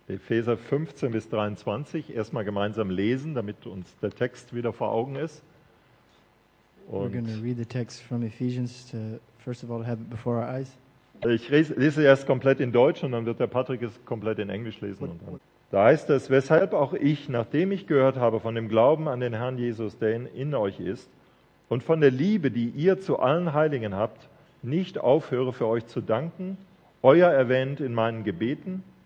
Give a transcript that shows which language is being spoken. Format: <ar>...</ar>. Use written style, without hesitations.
<de>Epheser 15 bis 23 erstmal gemeinsam lesen, damit uns der Text wieder vor Augen ist.</de> <en>Und we're going to read the text from Ephesians to first of all have it before our eyes.</en> <de>Ich lese erst komplett in Deutsch und dann wird der Patrick es komplett in Englisch lesen. Und dann. Da heißt es, weshalb auch ich, nachdem ich gehört habe von dem Glauben an den Herrn Jesus, der in euch ist, und von der Liebe, die ihr zu allen Heiligen habt, nicht aufhöre für euch zu danken, euer erwähnt in meinen Gebeten,</de>